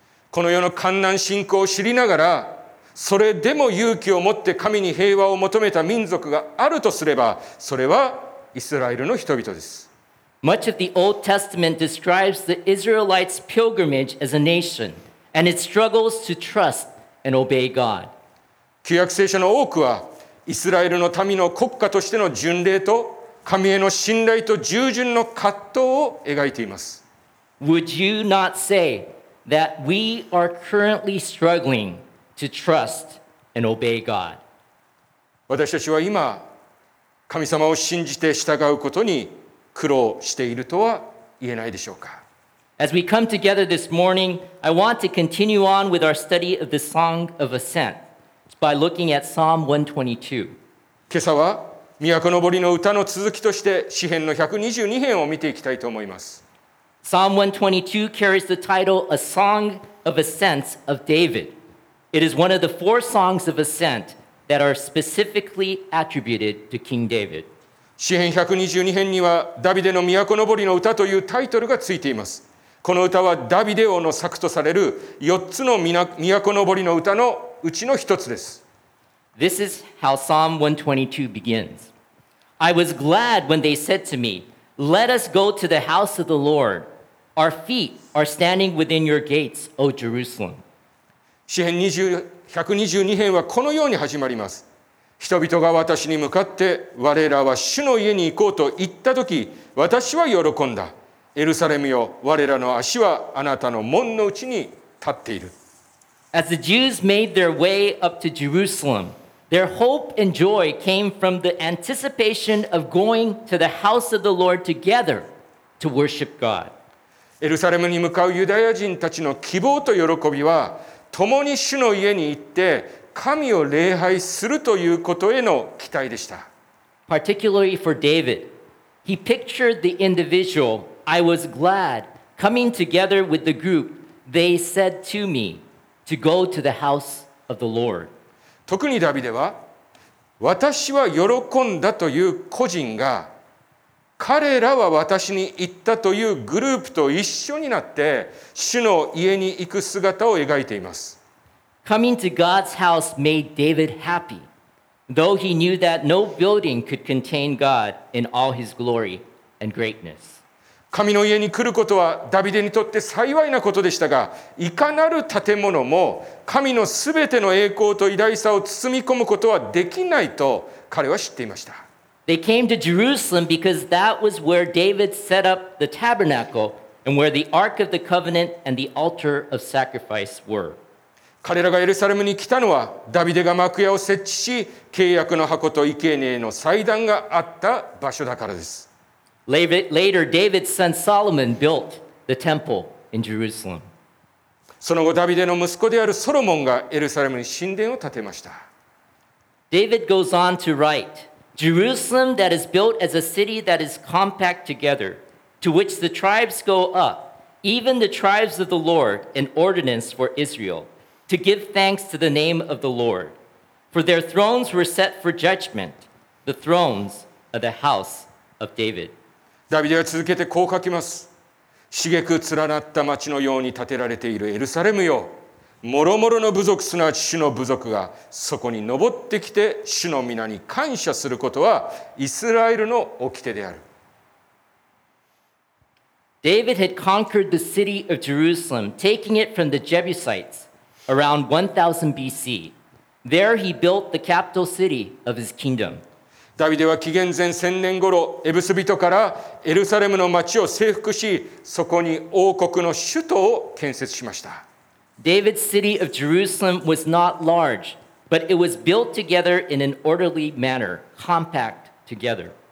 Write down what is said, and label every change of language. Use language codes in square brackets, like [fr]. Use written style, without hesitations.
[ja] この世の艱難信仰を知りながら、それでも勇気を持って神に平和を求めた民族があるとすれば、それはイスラエルの人々です。 [en] Much of the Old Testament describes the Israelites' pilgrimage as a nation and its struggles to trust and obey God. [ja] 旧約聖書の多くは、イスラエルの民の国家としての巡礼と神への信頼と従順の葛藤を描いています。 [en] Would you not say that we are currently struggling to trust and obey God? [ja] 私たちは今、神様を信じて従うことに苦労しているとは言えないでしょうか。 [en] As we come together this morning, I want to continue on with our study of the Song of Ascent. By looking at Psalm 122. [ja] 今朝は都のぼりの歌の続きとして詩篇の122編を見ていきたいと思います。 [en] Psalm 122 carries the title A Song of Ascent of David. It is one of the four songs of ascent that are specifically attributed to King David. [ja] 詩篇122編にはダビデの都のぼりの歌というタイトルがついています。この歌はダビデ王の作とされる4つの都のぼりの歌のうちの一つです。 [en] This is how Psalm 122 begins. I was glad when they said to me, Let us go to the house of the Lord. Our feet are standing within your gates, O Jerusalem. [ja] 詩篇122編はこのように始まります。人々が私に向かって、我らは主の家に行こうと言ったとき、私は喜んだ。エルサレムよ、我らの足はあなたの門のうちに立っている。 [en] As the Jews made their way up to Jerusalem, their hope and joy came from the anticipation of going to the house of the Lord together to worship God. [ja] エルサレムに向かうユダヤ人たちの希望と喜びは、共に主の家に行って神を礼拝するということへの期待でした。 [en] Particularly for David, he pictured the individual, I was glad, coming together with the group, they said to me,To go to the house of the Lord. [ja] 特にダビデは、私は喜んだという個人が、彼らは私に言ったというグループと一緒になって、主の家に行く姿を描いています。 [en] Coming to God's house made David happy, though he knew that no building could contain God in all his glory and greatness. [ja] 神の家に来ることはダビデにとって幸いなことでしたが、いかなる建物も神のすべての栄光と偉大さを包み込むことはできないと彼は知っていました。 [en] They came to Jerusalem because that was where David set up the tabernacle and where the Ark of the Covenant and the altar of sacrifice were. [ja] 彼らがエルサレムに来たのはダビデが幕屋を設置し契約の箱と生贄の祭壇があった場所だからです。 [en] Later, David's son Solomon built the temple in Jerusalem. [ja] その後、ダビデの息子であるソロモンがエルサレムに神殿を建てました。 [en] David goes on to write, Jerusalem that is built as a city that is compact together, to which the tribes go up, even the tribes of the Lord, an ordinance for Israel, to give thanks to the name of the Lord. For their thrones were set for judgment, the thrones of the house of David. [ja] ダビデは続けてこう書きます。茂く連なった町のように建てられているエルサレムよ。もろもろの部族、すなわち主の部族がそこに登ってきて主の御名に感謝することはイスラエルの掟である。 [en] David had conquered the city of Jerusalem, taking it from the Jebusites around 1000 BC. There he built the capital city of his kingdom. [ja] ダビデは紀元前1000年頃エブス人からエルサレムの町を征服しそこに王国の首都を建設しました。 [en] David's city of Jerusalem was not large, but it was built together in an orderly manner, compact together.